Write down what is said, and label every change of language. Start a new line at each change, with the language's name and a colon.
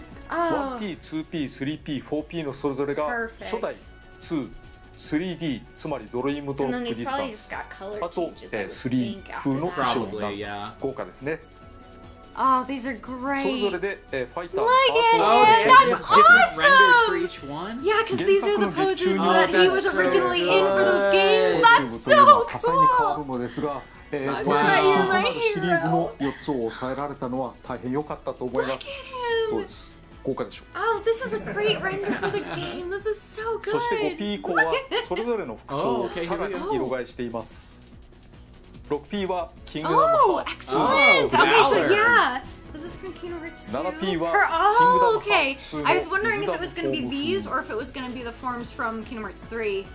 Japanese: Oh. 1P, 2P, 3P, 4P のそれぞれが初代2、3D、つまりドリームとディスタンス。あと、3風の衣装が豪華ですね。
English: Oh, these are great.
Japanese: それぞれで、ファイター
English: 、Leg and Hand! That's awesome! Yeah, because these are the poses that he was originally in for those games. That's so cool!
Japanese: 多彩に変わるのですが、このシリーズの4つを抑えられたのは大変良かったと思います。どうです？豪華でしょう。
English: Oh, this is a great render for the game. This is so good!
Japanese: そして 5P 以降は、それぞれの服装をさらに色替えしています。 6P はキングダムハーツ。
English: Oh, excellent! Okay, so yeah! This is from Kingdom Hearts 2.
Japanese: 7P はキングダムハーツ2の
English: Oh, okay! I was wondering if it was going to be these or if it was going to be the forms from Kingdom Hearts 3.